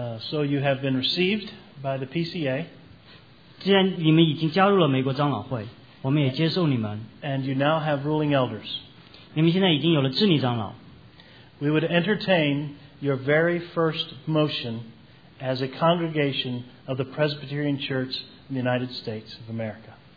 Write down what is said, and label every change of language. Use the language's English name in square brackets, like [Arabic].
[English] So you have been received by the PCA. [Chinese] 既然你们已经加入了美国长老会，我们也接受你们。 [English] And you now have ruling elders. [Chinese] 你们现在已经有了治理长老。 [English] We would entertain your very first motion as a congregation of the Presbyterian Church in the United States of America.